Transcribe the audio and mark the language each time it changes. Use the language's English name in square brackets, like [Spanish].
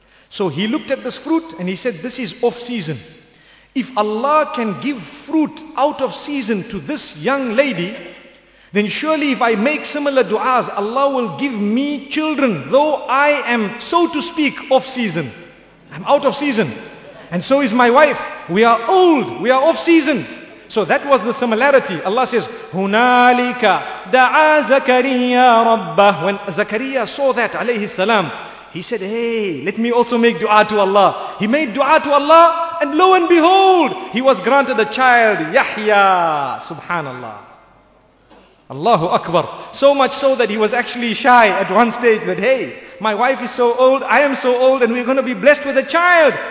[English] So he looked at this fruit and he said, this is off season. If Allah can give fruit out of season to this young lady, then surely if I make similar du'as, Allah will give me children, though I am, so to speak, off season. I'm out of season. And so is my wife. We are old. We are off season. So that was the similarity. Allah says, [Arabic] هُنَالِكَ دَعَى زَكَرِيَّا رَبَّهُ. [English] When Zakariya saw that, alayhi salam, he said, hey, let me also make dua to Allah. He made dua to Allah, and lo and behold, he was granted a child, Yahya. Subhanallah. Allahu Akbar. So much so that he was actually shy at one stage that, hey, my wife is so old, I am so old, and we're going to be blessed with a child.